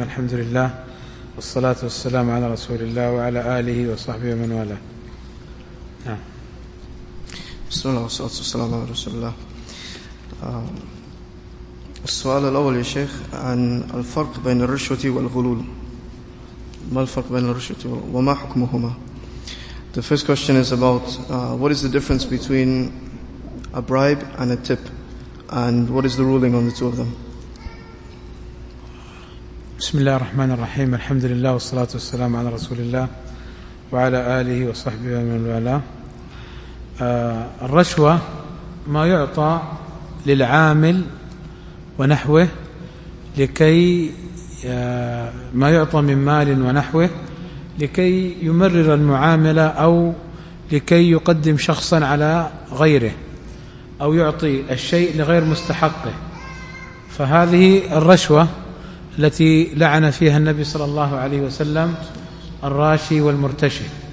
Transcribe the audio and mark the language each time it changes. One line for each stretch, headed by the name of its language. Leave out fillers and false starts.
Arabic: الحمد لله والصلاة والسلام على رسول الله وعلى آله وصحبه ومن والاه. بسم الله والصلاة والسلام على رسول الله. السؤال الأول يا شيخ عن الفرق بين الرشوة والغلول. ما الفرق بين الرشوة وما حكمهما؟
English: The first question is about what is the difference between a bribe and a tip, and what is the ruling on the two of them?
Arabic: بسم الله الرحمن الرحيم. الحمد لله والصلاة والسلام على رسول الله وعلى آله وصحبه ومن والاه. الرشوة ما يعطى للعامل ونحوه لكي ما يعطى من مال ونحوه لكي يمرر المعاملة أو لكي يقدم شخصا على غيره أو يعطي الشيء لغير مستحقه، فهذه الرشوة التي لعن فيها النبي صلى الله عليه وسلم الراشي والمرتشي.